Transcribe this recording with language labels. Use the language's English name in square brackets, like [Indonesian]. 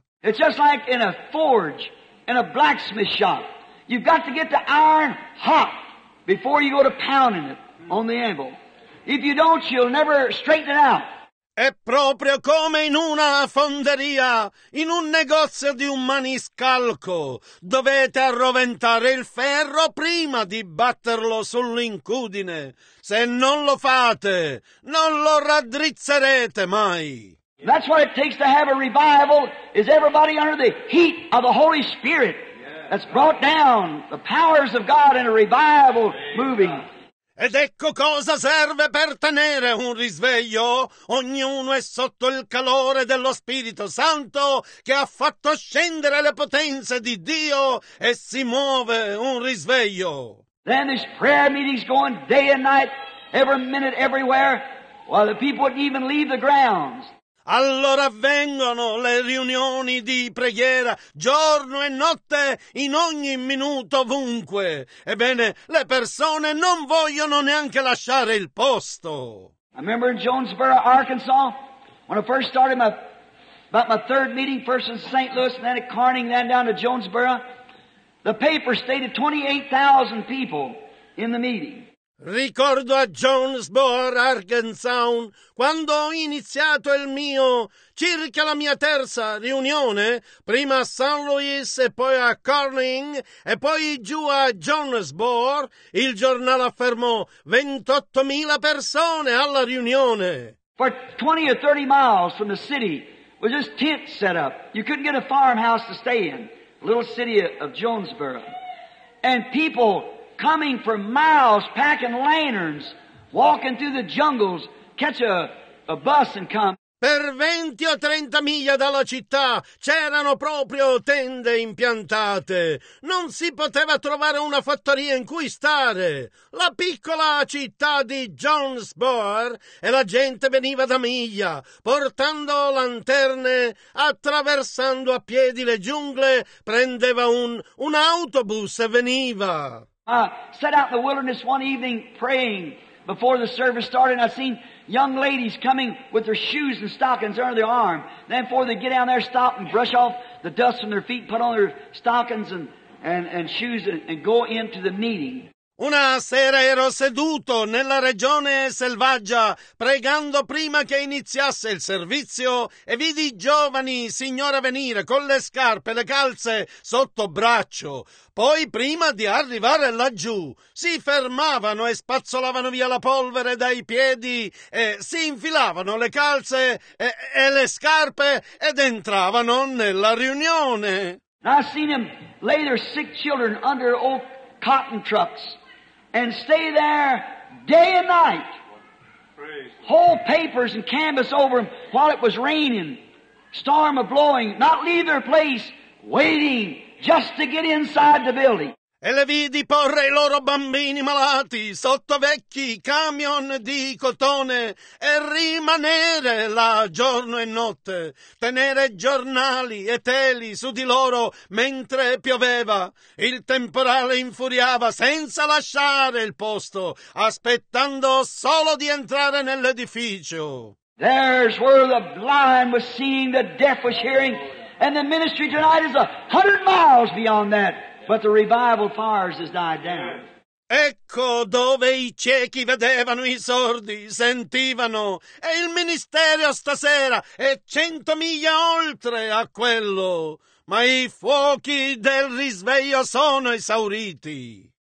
[English] It's just like in a forge. In a blacksmith shop, you've got to get the iron hot before you go to pounding it on the anvil. If you don't, you'll never straighten it out. [Italian] È proprio come in una fonderia, in un negozio di un maniscalco. Dovete arroventare il ferro prima di batterlo sull'incudine. Se non lo fate, non lo raddrizzerete mai. [English] That's what it takes to have a revival, is everybody under the heat of the Holy Spirit that's brought down the powers of God in a revival moving. [Italian] Ed ecco cosa serve per tenere un risveglio. Ognuno è sotto il calore dello Spirito Santo che ha fatto scendere le potenze di Dio e si muove un risveglio. [English] Then this prayer meeting's going day and night, every minute, everywhere, while the people wouldn't even leave the grounds. [Italian] Allora avvengono le riunioni di preghiera, giorno e notte, in ogni minuto, ovunque. Ebbene, le persone non vogliono neanche lasciare il posto. [English] I remember in Jonesboro, Arkansas, when I first started about my third meeting, first in St. Louis, and then at Carning, then down to Jonesboro, the paper stated 28,000 people in the meeting. [Italian] Ricordo a Jonesboro, Arkansas, quando ho iniziato il mio, circa la mia terza riunione, prima a St. Louis e poi a Corning e poi giù a Jonesboro, il giornale affermò 28,000 persone alla riunione. [English] For 20 or 30 miles from the city was just tents set up. You couldn't get a farmhouse to stay in, little city of Jonesboro. And people coming for miles, packing lanterns, walking through the jungles, catch a bus and come. [Italian] Per 20 o 30 miglia dalla città c'erano proprio tende impiantate. Non si poteva trovare una fattoria in cui stare. La piccola città di Jonesboro e la gente veniva da miglia, portando lanterne, attraversando a piedi le giungle, prendeva un autobus e veniva. [English] I sat out in the wilderness one evening praying before the service started, and I seen young ladies coming with their shoes and stockings under their arm. Then before they get down there, stop and brush off the dust from their feet, put on their stockings and shoes and go into the meeting. [Italian] Una sera ero seduto nella regione selvaggia, pregando prima che iniziasse il servizio, e vidi giovani signora venire con le scarpe, le calze sotto braccio. Poi, prima di arrivare laggiù, si fermavano e spazzolavano via la polvere dai piedi, e si infilavano le calze e le scarpe ed entravano nella riunione. [English] I've seen him lay their sick children under old cotton trucks and stay there day and night. Whole papers and canvas over them while it was raining, storm a blowing, not leave their place, waiting just to get inside the building. [Italian] E le vidi porre i loro bambini malati sotto vecchi camion di cotone e rimanere là giorno e notte, tenere giornali e teli su di loro mentre pioveva. Il temporale infuriava senza lasciare il posto, aspettando solo di entrare nell'edificio. [English] There's where the blind was seeing, the deaf was hearing, and the ministry tonight is 100 miles beyond that. But the revival fires has died down. [Italian] Ecco dove i ciechi vedevano, i sordi sentivano, e il ministero stasera è 100 miglia oltre a quello. Ma i fuochi del risveglio sono esauriti.